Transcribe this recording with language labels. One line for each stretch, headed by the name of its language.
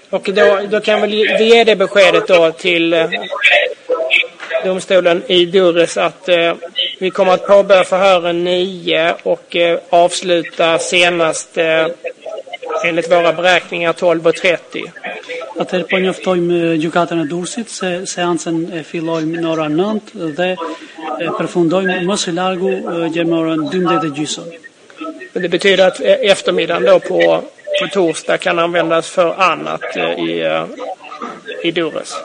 Swedish: Och då kan väl vi ge det beskedet då till domstolen i Durres att vi kommer att påbörja förhören 9 och avsluta senast enligt våra beräkningar 12.30.
Albanian: Atë po njoftojmë gjykatën e Durrësit se seancën e fillojmë në orën 9 dhe e përfundojmë më së largu gjerë në orën 12:30.
Swedish: Men det betyder att eftermiddagen då på torsdag kan användas för annat i Durrës.